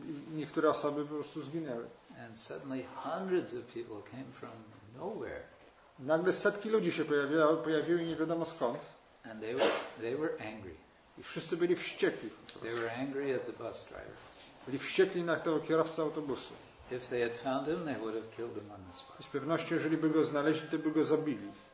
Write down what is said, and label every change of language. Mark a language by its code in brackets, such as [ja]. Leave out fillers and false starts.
[pl] Niektóre osoby po prostu zginęły. [en] And suddenly hundreds of people came from nowhere. [pl] Nagle setki ludzi się pojawiły nie wiadomo skąd. [en] And they were angry. [pl] I wszyscy byli wściekli. [en] They were angry at the bus driver. [pl] Byli wściekli na tego kierowcę autobusu. [en] If they had found him, they would have killed him on the spot. [pl] Z pewnością, jeżeli by go znaleźli, to by go zabili.